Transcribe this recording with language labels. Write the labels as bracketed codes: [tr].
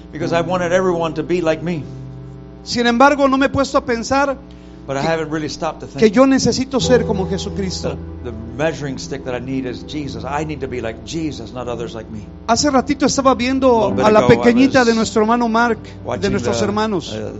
[en] Because I wanted everyone to be like me. [es] Sin embargo, no me he puesto a pensar [en] really [es] que yo necesito ser como Jesucristo. [en] The measuring stick that I need is Jesus. I need to be like Jesus, not others like me. [es] Hace ratito estaba viendo a la pequeñita de nuestro hermano Mark, de nuestros hermanos.